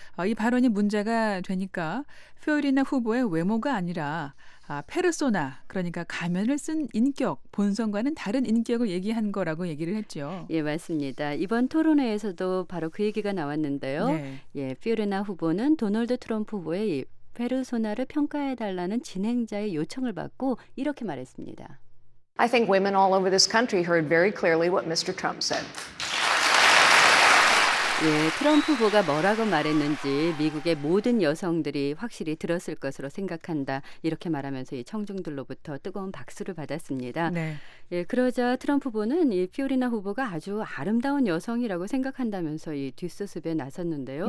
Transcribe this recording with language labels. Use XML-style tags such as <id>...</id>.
<ko>이 발언이 문제가 되니까 피오리나 후보의 외모가 아니라 페르소나, 그러니까 가면을 쓴 인격, 본성과는 다른 인격을 얘기한 거라고 얘기를 했죠. 예, 맞습니다. 이번 토론회에서도 바로 그 얘기가 나왔는데요. 네. 예, 피오레나 후보는 도널드 트럼프 후보의 페르소나를 평가해달라는 진행자의 요청을 받고 이렇게 말했습니다.</ko> <en>I think women all over this country heard very clearly what Mr. Trump said.</en> <ko>예, 트럼프 후보가 뭐라고 말했는지 미국의 모든 여성들이 확실히 들었을 것으로 생각한다. 이렇게 말하면서 이 청중들로부터 뜨거운 박수를 받았습니다. 네. 예, 그러자 트럼프 후보는 이 피오리나 후보가 아주 아름다운 여성이라고 생각한다면서 이 뒷수습에 나섰는데요.</ko>